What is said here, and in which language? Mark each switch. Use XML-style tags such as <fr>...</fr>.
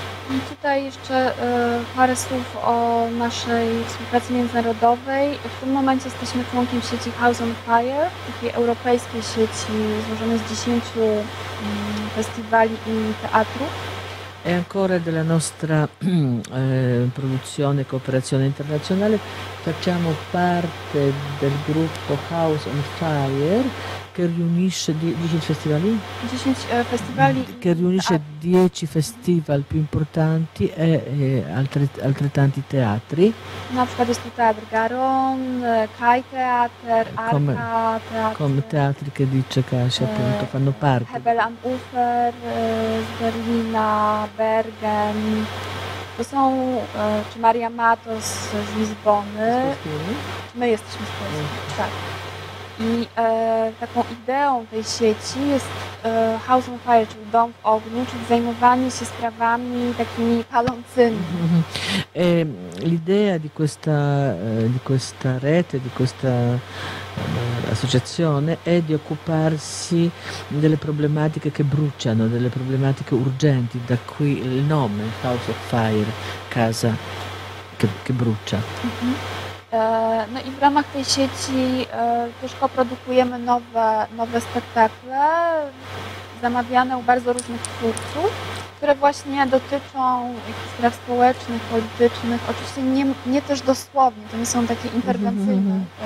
<pl>I tutaj jeszcze parę słów o naszej współpracy międzynarodowej. W tym momencie jesteśmy członkiem sieci House on Fire, takiej europejskiej sieci złożonej z 10 festiwali i teatrów.</pl> <it>E ancora della nostra produzione cooperazione internazionale facciamo parte del gruppo House on Fire che riunisce 10 festivali? 10 festivali che riunisce 10 festival più importanti e altrettanti teatri.</it> <pl>Na przykład jest Teatr Garon, Kai Teatr, Arca Teatr.</pl> <it>Come teatri che dice Kasia, appunto, fanno parte. Hebel am Ufer, Berlina, Bergen.</it> <pl>To są, czy Maria Matos z Lizbony. My jesteśmy z Polski, tak. I taką ideą tej sieci jest House on Fire, czyli dom w ogniu, czyli zajmowanie się sprawami takimi palącymi.</pl> <it>L'idea di questa rete, di questa associazione è di occuparsi delle problematiche che bruciano, delle problematiche urgenti, da qui il nome House of Fire, casa che brucia.</it> <pl>No i w ramach tej sieci też koprodukujemy nowe spektakle zamawiane u bardzo różnych twórców, które właśnie dotyczą spraw społecznych, politycznych, oczywiście nie też dosłownie, to nie są takie interwencyjne.</pl>